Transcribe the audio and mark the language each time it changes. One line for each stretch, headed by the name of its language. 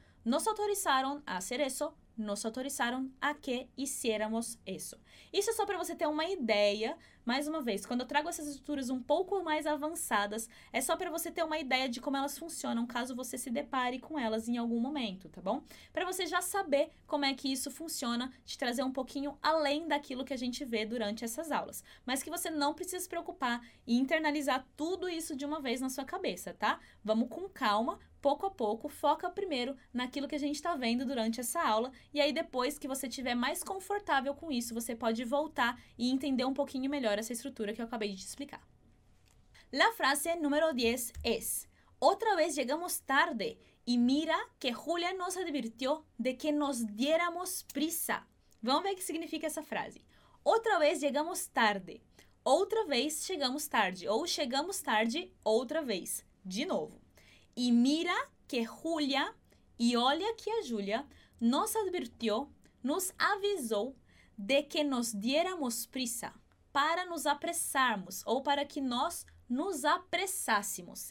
Spanish: Nos autorizaron a hacer eso. Nos autorizaron a que hiciéramos eso.
Portuguese: Isso é só para você ter uma ideia. Mais uma vez, quando eu trago essas estruturas um pouco mais avançadas, é só para você ter uma ideia de como elas funcionam, caso você se depare com elas em algum momento, tá bom? Para você já saber como é que isso funciona, te trazer um pouquinho além daquilo que a gente vê durante essas aulas. Mas que você não precisa se preocupar e internalizar tudo isso de uma vez na sua cabeça, tá? Vamos com calma, pouco a pouco, foca primeiro naquilo que a gente está vendo durante essa aula, e aí depois que você estiver mais confortável com isso, você pode voltar e entender um pouquinho melhor essa estrutura que eu acabei de te explicar.
Spanish: La frase número 10 es, otra vez llegamos tarde Y mira que Julia nos advirtió de que nos diéramos prisa. Vamos a ver qué significa esa frase. Otra vez llegamos tarde.
Portuguese: Outra vez chegamos tarde. Ou chegamos tarde outra vez. De novo.
Spanish: E mira que Julia,
Portuguese: e olha que a Julia, nos advirtiu, nos avisou de que
Spanish: nos diéramos prisa
Portuguese: para nos apressarmos ou para que nós nos apressássemos.